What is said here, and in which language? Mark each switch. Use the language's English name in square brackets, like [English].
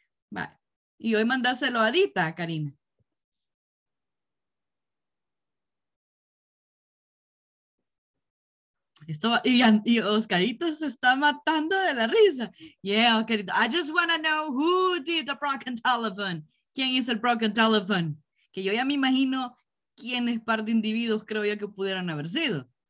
[Spanish] Vaya. Y hoy mandáselo a Dita, Karina. Esto va, y Oscarito se está matando de la risa. [English] Yeah, Oscarito. I just want to know who did the broken telephone. [Spanish] ¿Quién hizo el broken telephone? Que yo ya me imagino quiénes par de individuos creo yo que pudieran haber sido.